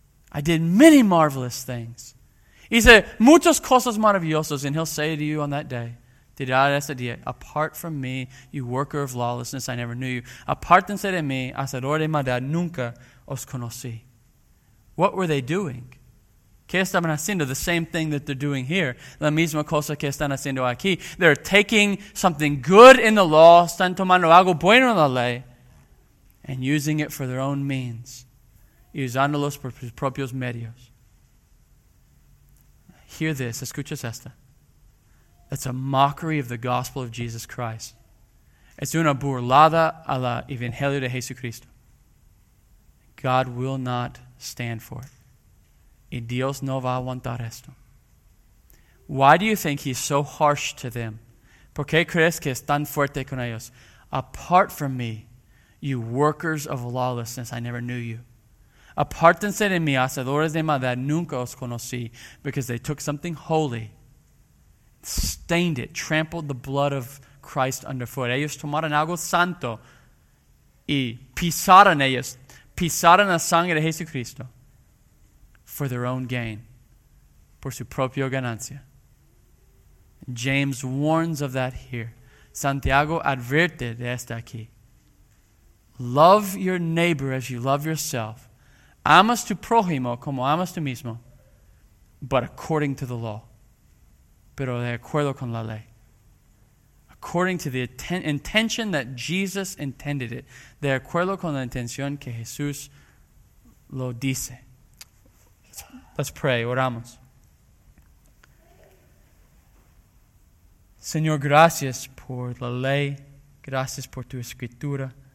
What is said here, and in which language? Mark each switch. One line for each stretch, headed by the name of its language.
English: I did many marvelous things.
Spanish: Hice muchas cosas maravillosas.
English: And he'll say to you on that day, apart from me, you worker of lawlessness, I never knew you.
Spanish: Apartense de mí, hacedor de maldad, nunca os conocí.
English: What were they doing?
Spanish: ¿Qué estaban haciendo?
English: The same thing that they're doing here.
Spanish: La misma cosa que están haciendo aquí.
English: They're taking something good in the law,
Spanish: están tomando algo bueno en la ley,
English: and using it for their own means.
Spanish: Y usándolos por sus propios medios.
English: Hear this.
Spanish: Escuchas esta.
English: That's a mockery of the gospel of Jesus Christ.
Spanish: Es una burlada a la Evangelio de Jesucristo.
English: God will not stand for it.
Spanish: Y Dios no va a aguantar esto.
English: Why do you think he's so harsh to them?
Spanish: ¿Por qué crees que es tan fuerte con ellos?
English: Apart from me, you workers of lawlessness, I never knew you.
Spanish: Apartense de mí, hacedores de maldad, nunca os conocí,
English: because they took something holy, stained it, trampled the blood of Christ underfoot.
Spanish: Ellos tomaron algo santo y pisaron ellos, pisaron la sangre de Jesucristo
English: for their own gain,
Spanish: por su propia ganancia.
English: James warns of that here.
Spanish: Santiago advierte de esta aquí.
English: Love your neighbor as you love yourself.
Spanish: Amas tu prójimo como amas tú mismo,
English: but according to the law.
Spanish: Pero de acuerdo con la ley.
English: According to the intention that Jesus intended it.
Spanish: De acuerdo con la intención que Jesús lo dice.
English: Let's pray.
Spanish: Oramos. Señor, gracias por la ley. Gracias por tu escritura.